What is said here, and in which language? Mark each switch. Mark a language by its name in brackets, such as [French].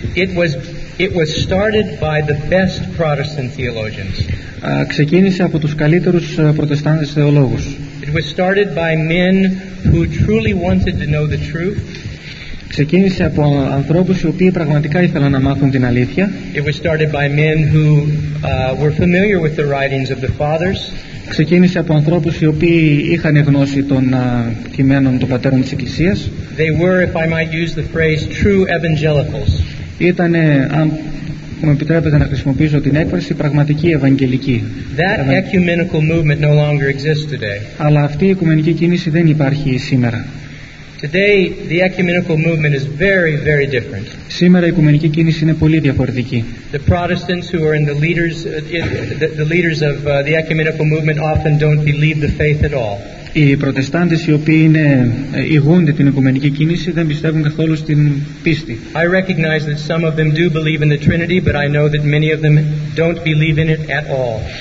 [English] It was started by the best Protestant theologians. [Greek] Ξεκίνησε από τους καλύτερους Προτεστάντες θεολόγους. [English] It was started by men who truly wanted to know the truth. [Greek] Ξεκίνησε από ανθρώπους οι οποίοι πραγματικά ήθελαν να μάθουν την αλήθεια. [English] It was started by men who were familiar with the writings of the fathers. [Greek] Ξεκίνησε από ανθρώπους οι οποίοι είχαν γνώση των κειμένων των πατέρων της Εκκλησίας. [English] They were, if I might use the phrase, true evangelicals. [Greek] Ήτανε, αν μου επιτρέπετε να χρησιμοποιήσω την έκφραση, πραγματική ευαγγελική. [English] That ecumenical movement no longer exists today. [Greek] Αλλά αυτή η οικουμενική κίνηση δεν υπάρχει σήμερα. [English] Today the ecumenical movement is very, very different. [Greek] Σήμερα η οικουμενική κίνηση είναι πολύ διαφορετική. [English] The Protestants who are in the leaders of the ecumenical movement often don't believe the faith at all. [Greek] Οι Προτεστάντες οι οποίοι είναι ηγούνται την οικουμενική κίνηση δεν πιστεύουν καθόλου στην πίστη. [English] I recognize that some of them do believe in the Trinity, but I know that many of them don't believe in it at all.